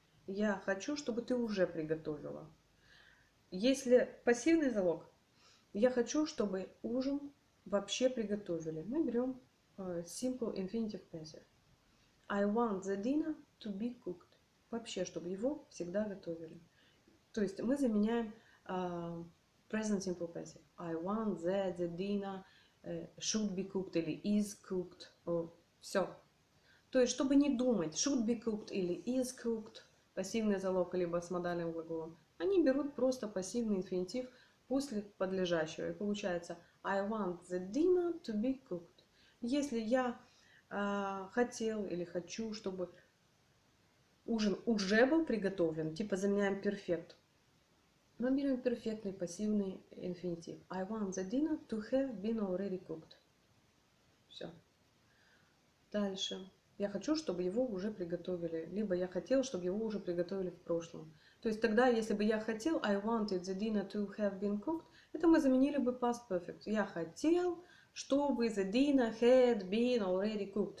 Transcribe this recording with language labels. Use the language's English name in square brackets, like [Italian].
[Russian] Я хочу, чтобы ты уже приготовила. Если пассивный залог, я хочу, чтобы ужин вообще приготовили. Мы берем [English] simple infinitive passive. I want the dinner to be cooked. [Russian] Вообще, чтобы его всегда готовили. То есть мы заменяем present simple passive. [English] I want that the dinner should be cooked или is cooked. [Russian] Все. То есть, чтобы не думать, should be cooked или is cooked, пассивный залог, либо с модальным глаголом, они берут просто пассивный инфинитив после подлежащего. И получается, [English] I want the dinner to be cooked. [Russian] Если я хотел или хочу, чтобы ужин уже был приготовлен, типа заменяем perfect, мы берем перфектный пассивный инфинитив. [English] I want the dinner to have been already cooked. [Russian] Все. Дальше. Я хочу, чтобы его уже приготовили. Либо я хотел, чтобы его уже приготовили в прошлом. То есть тогда, если бы я хотел, [English] I wanted the dinner to have been cooked, [Russian] это мы заменили бы past perfect. Я хотел, чтобы [English] the dinner had been already cooked.